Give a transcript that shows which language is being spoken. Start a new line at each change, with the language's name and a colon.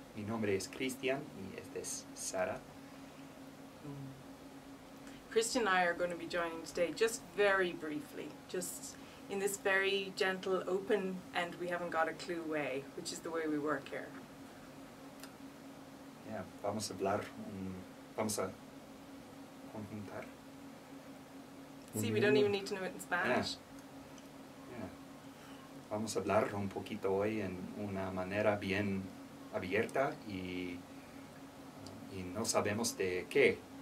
Spanish: Mi nombre es Cristian y este es Sara.
English: Cristian and I are going to be joining today just very briefly, just in this very gentle, open, and we haven't got a clue way, which is the way we work here.
Spanish: Yeah, vamos a hablar, vamos a conjuntar.
English: See, we don't even need to know it in Spanish. Yeah.
Spanish: Vamos a hablar un poquito hoy en una manera bien abierta y no sabemos de qué.